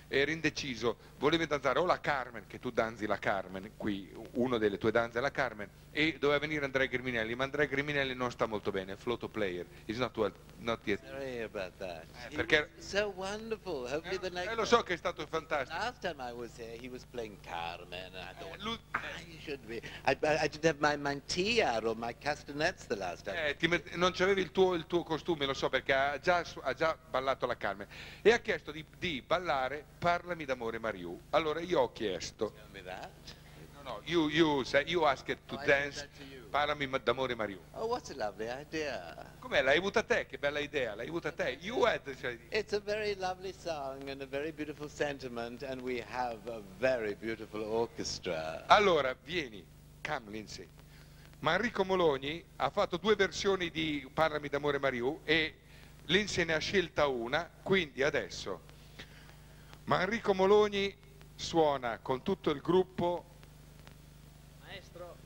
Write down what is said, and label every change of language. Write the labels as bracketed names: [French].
[Italian] Era indeciso, voleva danzare o la Carmen, che tu danzi la Carmen, qui una delle tue danze è la Carmen, e doveva venire Andrea Griminelli, ma Andrea Griminelli non sta molto bene, [English] floto player, is not well, not yet. Sorry about that. Perché so wonderful. Hopefully the next [Italian] lo so che è stato fantastico. [English] Last time I was here, he was playing Carmen, and I thought, I should be. I didn't have my mantilla or my castanets the last time. [Italian] Non c'avevi il tuo costume, lo so, perché ha già ballato la Carmen, e ha chiesto di ballare Parlami d'amore Mariù. Allora io ho chiesto. [English] Tell me that. No, you ask it to dance. Parlami d'amore Mariù. Oh, what a lovely idea. [Italian] Com'è? L'hai avuta te? Che bella idea. L'hai avuta te? [English] You had this idea. It's a very lovely song and a very beautiful sentiment and we have a very beautiful orchestra. [Italian] Allora, vieni. Come, Lindsay. Manrico Mologni ha fatto due versioni di Parlami d'amore Mariù e Lindsay ne ha scelta una, quindi adesso Manrico Mologni suona con tutto il gruppo. Maestro,